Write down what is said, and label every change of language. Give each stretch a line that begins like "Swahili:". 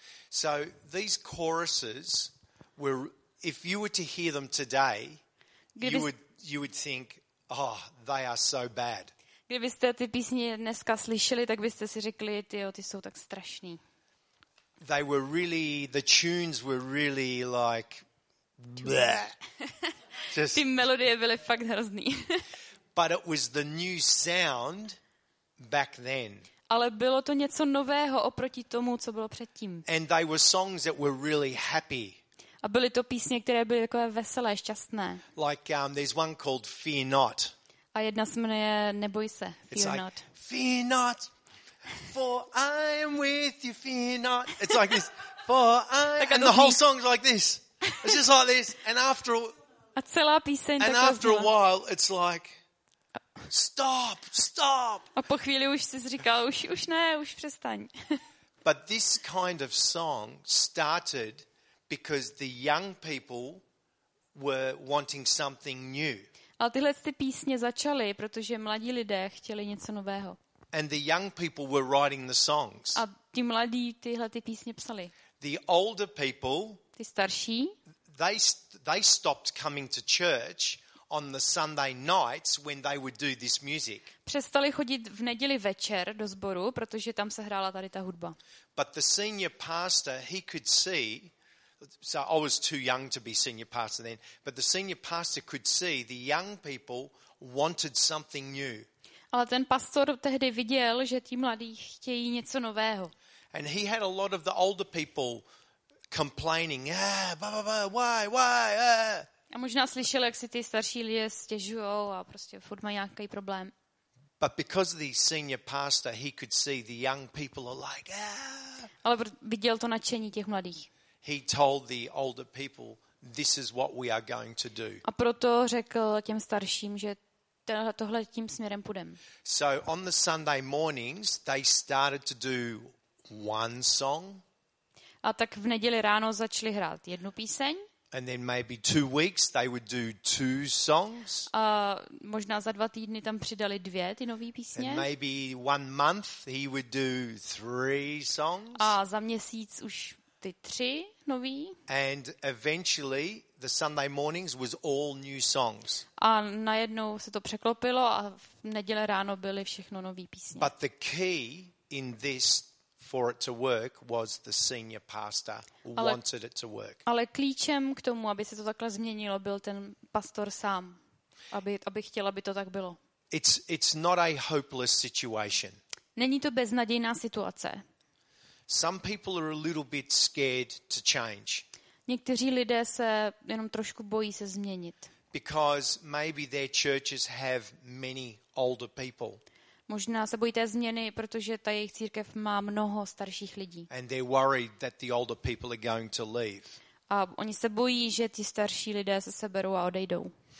English: So these choruses were, if you were to hear them today, you would think, oh, they are so bad.
Czech: Kdybyste ty písně dneska slyšeli, tak byste si řekli, tyjo, ty jsou tak strašný.
English: They were really, the tunes were really like
Czech: ty melodie byly fakt hrozný.
English: But it was the new sound back then.
Czech: Ale bylo to něco nového oproti tomu, co bylo předtím.
English: And they were songs that were really happy.
Czech: A byly to písně, které byly takové veselé, šťastné.
English: Like there's one called Fear Not.
Czech: A jedna se jmenuje Neboj se, Fear
English: like, Not. Fear not, for I am with you, fear not. It's like this, for I am, and the whole song's like this. It's just like this, and after
Czech: a celá píseň
English: and after a while, it's like, stop.
Czech: A po chvíli už jsi říkal, už ne, už přestaň.
English: But this kind of song started because the young people were wanting something new.
Czech: Ale tyhle ty písně začaly, protože mladí lidé chtěli něco nového.
English: And the young people were writing the songs.
Czech: A ti mladí tyhle ty písně psali.
English: The older people,
Czech: ty starší,
English: they stopped coming to church on the Sunday nights when they would do this music.
Czech: Přestali chodit v neděli večer do sboru, protože tam se hrála tady ta hudba.
English: But the senior pastor, he could see. So I was too young to be senior pastor then, but the senior pastor could see the young people wanted something new.
Czech: Ale ten pastor tehdy viděl, že ti mladí chtějí něco nového.
English: And he had a lot of the older people complaining, why.
Czech: A možná slyšel, jak si ty starší lidé stěžujou a prostě furt mají nějaký problém.
English: But because the senior pastor, he could see the young people are like,
Czech: Ale viděl to nadšení těch mladých.
English: He told the older people, this is what we are going to do.
Czech: A proto řekl těm starším, že tohle tím směrem půjdem.
English: So on the Sunday mornings, they started to do one song.
Czech: A tak v neděli ráno začali hrát jednu píseň.
English: And then maybe 2 weeks they would do 2 songs.
Czech: A možná za 2 týdny tam přidali 2 ty nové písně.
English: And maybe 1 month he would do 3 songs.
Czech: A za měsíc už ty 3 nové.
English: And eventually the Sunday mornings was all new songs.
Czech: A najednou se to překlopilo a v neděle ráno byly všechno nové písně.
English: But the key in this for it to work was the senior pastor wanted it to work.
Czech: Ale klíčem k tomu, aby se to takhle změnilo, byl ten pastor sám, aby chtěl, aby to tak bylo.
English: It's not a hopeless situation.
Czech: Není to beznadějná situace.
English: Some people are a little bit scared to change.
Czech: Někteří lidé se jenom trošku bojí se změnit.
English: Because maybe their churches have many older people.
Czech: Možná se bojí té změny, protože ta jejich církev má mnoho starších lidí.
English: And they're worried that the older people are going to leave.
Czech: A oni se bojí, že ti starší lidé se seberou a odejdou.